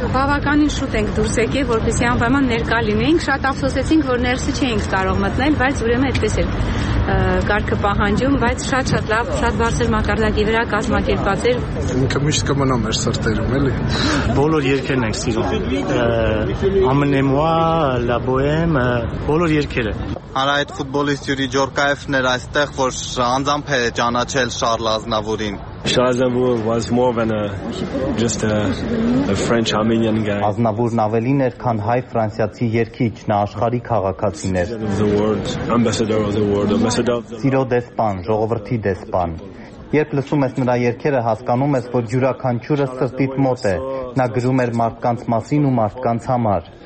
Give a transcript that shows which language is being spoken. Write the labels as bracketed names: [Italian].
[Armenian] Բավականին շուտ ենք դուրս եկել, որպեսզի անպայման ներկա լինենք, շատ ափսոսեցինք, որ ներսը չէինք կարող մտնել, բայց ուրեմն այդպես էլ կարգը պահանջում, բայց շատ-շատ լավ, շատ բարձր մակարդակի վրա կազմակերպած էր։ Ինքը միշտ կմնա մեր սրտերում, էլի։ Բոլոր երգերն ենք սիրում։ [French] Amenez-moi la bohème, [Armenian] բոլոր երգերը։ Արա այդ ֆուտբոլիստ Յուրի Ջորկայևն էր այստեղ, որ անձամբ է ճանաչել Շարլ Ազնավուրին։ [English] Charles Aznavour was more than a French-Armenian guy. [Armenian] Aznavour-ն ավելին էր, քան հայ ֆրանսիացի երկիչ, նա աշխարհի քաղաքացին էր։ [English] Ambassador of the world, ambassador of the [Armenian] Ciro Despan, ժողովրդի դեսպան։ Երբ լսում ես նրա երգերը, հասկանում ես, որ յուրաքանչյուրը սրտիդ մոտ է։ Նա գրում էր մարդկանց մասին ու մարդկանց համար։